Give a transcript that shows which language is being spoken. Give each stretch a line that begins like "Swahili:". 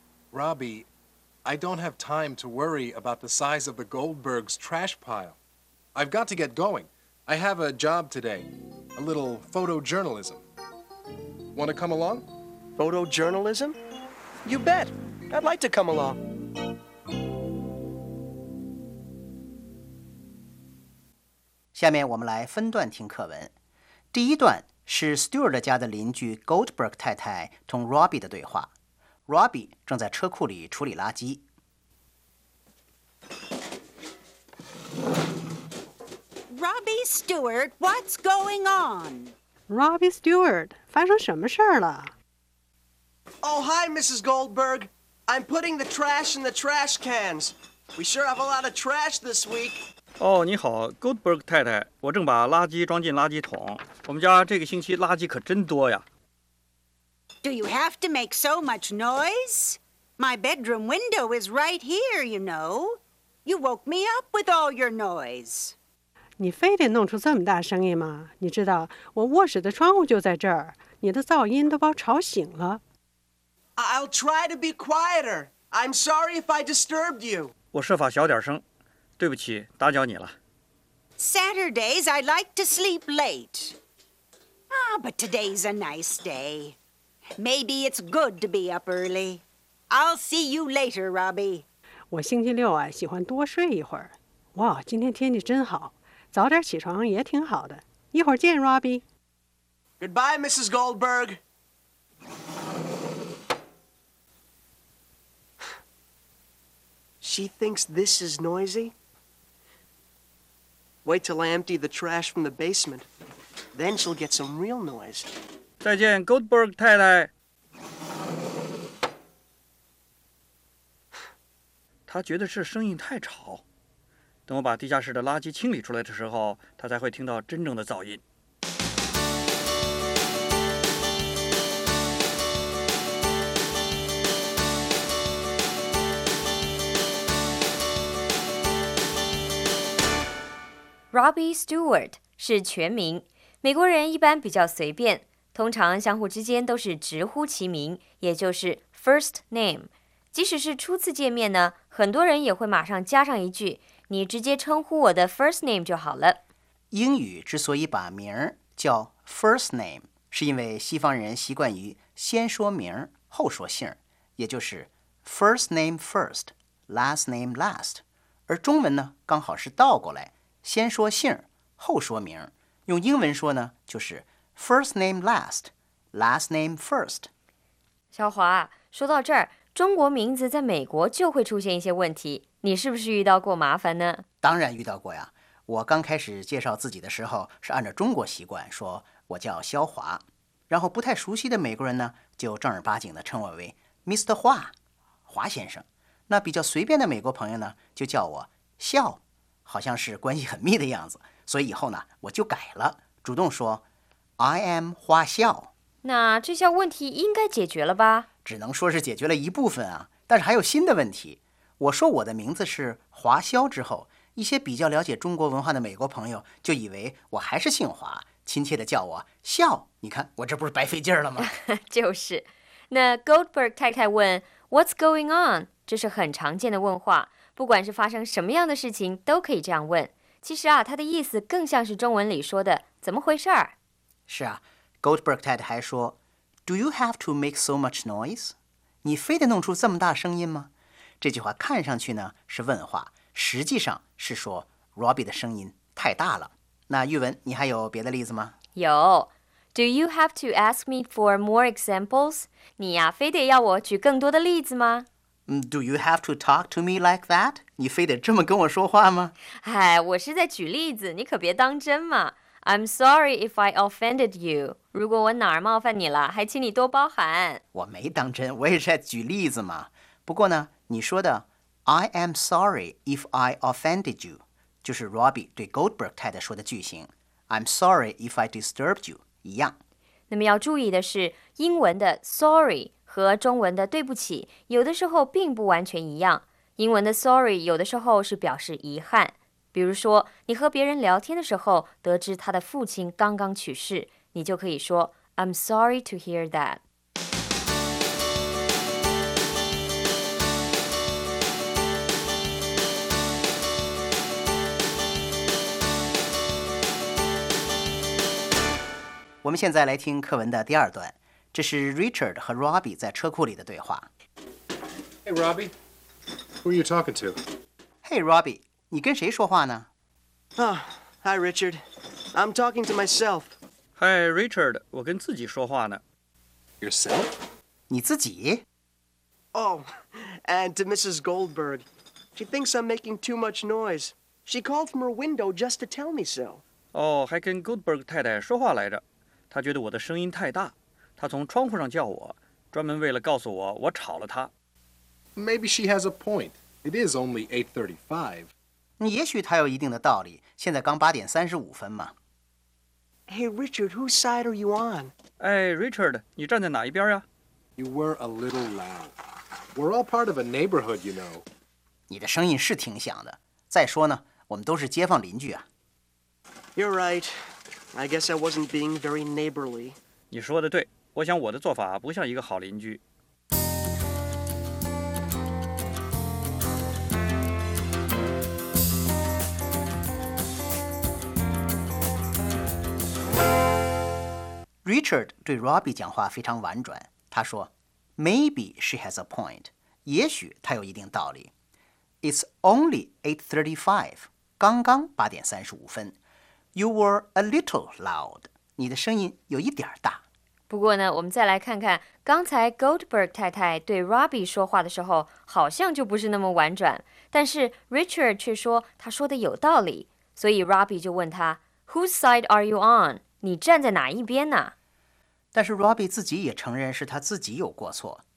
English: Robbie, I don't have time to worry about the size of the Goldbergs' trash pile. I've got to get going. I have a job today. A little photojournalism. Want to come along? Photojournalism? You bet. I'd like to come along.
Chinese: 下面我们来分段听课文。第一段是 Stuart 家的邻居 Goldberg 太太同 Robbie 的对话。 Robbie 正在车库里处理垃圾。
English: Robbie Stuart, what's going on?
Chinese: Robbie Stuart, 发生什么事了？
English: Oh, hi, Mrs. Goldberg. I'm putting the trash in the trash cans. We sure have a lot of trash this week.
Chinese: Oh, 你好 ,Goldberg 太太。我正把垃圾装进垃圾桶。我们家这个星期垃圾可真多呀。
English: Do you have to make so much noise? My bedroom window is right here, you know. You woke me up with all your noise.
Chinese: 你非得弄出这么大声音吗？你知道我卧室的窗户就在这儿，你的噪音都把我吵醒了。
English: I'll try to be quieter. I'm sorry if I disturbed you.
Chinese: 我设法小点声，对不起，打搅你了。
English: Saturdays I like to sleep late. Ah, but today's a nice day. Maybe it's good to be up early. I'll see you later, Robbie.
Chinese: 我星期六啊，喜欢多睡一会儿。哇，今天天气真好。早点起床也挺好的。一会儿见 ，Robbie。
English: Goodbye, Mrs. Goldberg. She thinks this is noisy. Wait till I empty the trash from the basement. Then she'll get some real noise.
Chinese: 再见 ，Goldberg 太太。她觉得这声音太吵。等我把地下室的垃圾清理出来的时候，他才会听到真正的噪音。 Robbie Stuart 是全名，美国人一般比较随便，通常相互之间都是直呼其名，也就是 first name。即使是初次见面呢，很多人也会马上加上一句。你直接称呼我的 first name 就好了。英语之所以把名叫 first name， 是因为西方人习惯于先说名后说姓，也就是 first name first， last name last。而中文呢，刚好是倒过来，先说姓后说名。用英文说呢，就是 first name last， last name first。小华，说到这儿，中国名字在美国就会出现一些问题。你是不是遇到过麻烦呢？当然遇到过呀。我刚开始介绍自己的时候是按照中国习惯说我叫肖华，然后不太熟悉的美国人呢就正儿八经的称我为 Mr. 华，华先生。那比较随便的美国朋友呢就叫我肖，好像是关系很密的样子，所以以后呢我就改了，主动说 I am 华肖。那这下问题应该解决了吧？只能说是解决了一部分啊，但是还有新的问题。我说我的名字是华肖之后，一些比较了解中国文化的美国朋友就以为我还是姓华，亲切地叫我肖。你看我这不是白费劲了吗？就是。那 Goldberg 太太问 What's going on? 这是很常见的问话，不管是发生什么样的事情都可以这样问。其实啊，他的意思更像是中文里说的怎么回事儿。是啊， Goldberg 太太还说 Do you have to make so much noise? 你非得弄出这么大声音吗？这句话看上去呢是问话，实际上是说 Robbie 的声音太大了。那玉文，你还有别的例子吗？有。
English: Do you have to ask me for more examples?
Chinese: 你呀，非得要我举更多的例子吗？
English: Do you have to talk to me like that?
Chinese: 你非得这么跟我说话吗？哎，我是在举例子，你可别当真嘛。
English: I'm sorry if I offended you.
Chinese: 如果我哪儿冒犯你了，还请你多包涵。我没当真，我也是在举例子嘛。不过呢，你说的 I am sorry if I offended you 就是 Robbie 对 Goldberg 太太说的句型， I'm sorry if I disturbed you 一样。那么要注意的是，英文的 sorry 和中文的对不起有的时候并不完全一样。英文的 sorry 有的时候是表示遗憾，比如说你和别人聊天的时候得知他的父亲刚刚去世，你就可以说 I'm sorry to hear that。我们现在来听课文的第二段，这是 Richard 和 Robbie 在车库里的对话。
English: Hey Robbie, who are you talking to?
Chinese: Hey Robbie, 你跟谁说话呢？
English: 啊、Hi, Richard. I'm talking to myself.
Chinese: Hi, Richard. 我跟自己说话呢。
English: Yourself?
Chinese: 你自己？
English: Oh, and to Mrs. Goldberg. She thinks I'm making too much noise. She called from her window just to tell me so.
Chinese: 哦，还跟 Goldberg 太太说话来着。她觉得我的声音太大。她从窗户上叫我，专门为了告诉我我吵了她。
English: Maybe she has a point. It is only 8:35.
Chinese: 也许他有一定的道理，现在刚八点三十五分嘛。
English: Hey, Richard, whose side are you on?
Chinese: Hey, Richard, 你站在哪一边呀？
English: You were a little loud. We're all part of a neighborhood, you know.
Chinese: 你的声音是挺响的。再说呢，我们都是街坊邻居啊。
English: You're right. I guess I wasn't being very neighborly.
Chinese: 你说的对，我想我的做法不像一个好邻居。 Richard 对 Robbie 讲话非常婉转，他说 Maybe she has a point，也许她有一定道理。 It's only 8:35，刚刚八点三十五分。 You were a little loud，你的声音有一点大。不过呢，我们再来看看刚才 Goldberg 太太对 Robbie 说话的时候好像就不是那么婉转，但是 Richard 却说他说的有道理，所以 Robbie 就问他 Whose side are you on？你站在哪一边呢？但是 Robbie 自己也承认是他自己有过错。